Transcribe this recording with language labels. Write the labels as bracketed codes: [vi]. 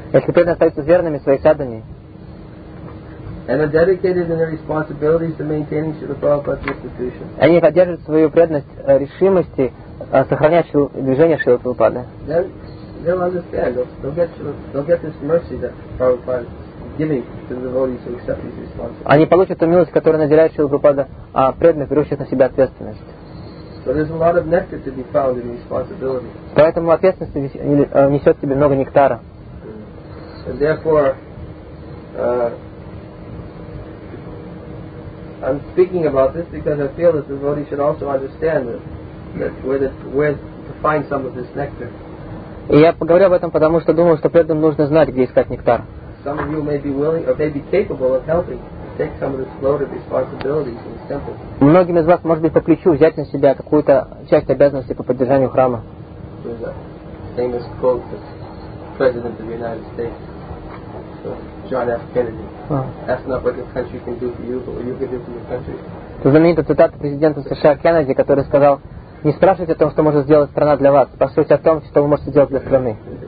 [ru] Если преданные остаются верными в своей садхане. [en] And are dedicated in their responsibilities to maintaining Srila Prabhupada's institution. [ru] Они поддерживают свою преданность решимости сохранять движение Шрилы Прабхупады. [en] Then they'll understand. They'll get this mercy that Prabhupada is giving to the devotees who accept these responsibilities. [ru] Они получат ту милость, которую наделяет Шрила Прабхупада преданных, берущих на себя ответственность. [en] So there's a lot of nectar to be found in responsibility. [ru] Поэтому ответственность несет тебе много нектара. [en] And therefore, I'm speaking about this because I feel that the devotee should also understand where to find some of this nectar. [ru] И я поговорю об этом, потому что думаю, что преданным нужно знать, где искать нектар. [en] Some of you may be willing or may be capable of helping. Take some of this load of responsibilities in the temple. [ru] Многим из вас может быть по плечу взять на себя какую-то часть обязанности по поддержанию храма. [en] There's a famous quote from the President of the United States, John F. Kennedy. That's not what the country can do for you, but what you can do for your country. [ru] Это знаменитая цитата президента США Кеннеди, который сказал: «Не спрашивайте о том, что может сделать страна для вас, спрашивайте о том, что вы можете сделать для страны».